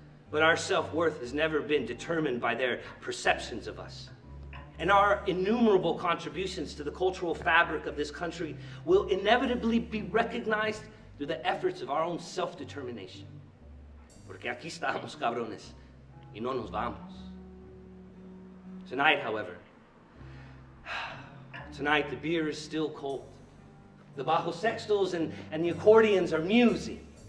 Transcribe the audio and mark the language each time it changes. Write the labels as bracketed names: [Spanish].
[English] But our self-worth has never been determined by their perceptions of us. And our innumerable contributions to the cultural fabric of this country will inevitably be recognized through the efforts of our own self-determination. [Spanish] Porque aquí estamos, cabrones, y no nos vamos. [English] Tonight, however, tonight the beer is still cold. The bajo sextos and the accordions are musing.